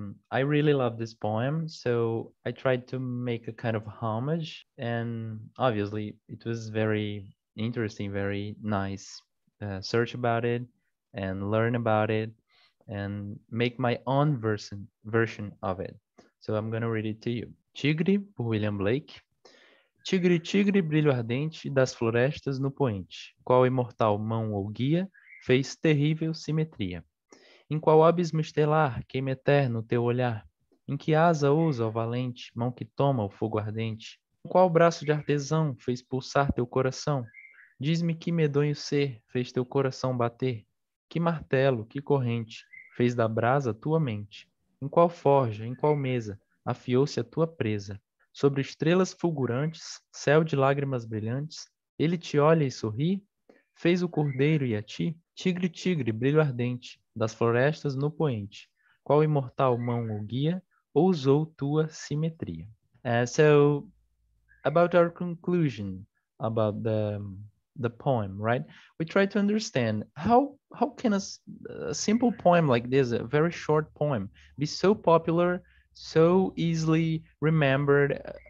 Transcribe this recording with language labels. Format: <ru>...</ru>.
<en>I really love this poem, so I tried to make a kind of homage, and obviously it was very interesting, very nice search about it and learn about it and make my own version of it. So I'm going to read it to you.</en> <pt>Tigre, por William Blake. Tigre, tigre, brilho ardente das florestas no poente. Qual imortal mão ou guia fez terrível simetria? Em qual abismo estelar queima eterno teu olhar? Em que asa ousa, ó valente, mão que toma o fogo ardente? Em qual braço de artesão fez pulsar teu coração? Diz-me que medonho ser fez teu coração bater? Que martelo, que corrente fez da brasa tua mente? Em qual forja, em qual mesa afiou-se a tua presa? Sobre estrelas fulgurantes, céu de lágrimas brilhantes, ele te olha e sorri? Fez o cordeiro e a ti? Tigre, tigre, brilho ardente, das florestas no poente, qual imortal mão ou guia ousou tua simetria?</pt> <en>So, about our conclusion about the poem, right? We try to understand how can a simple poem like this, a very short poem, be so popular, so easily remembered?</en>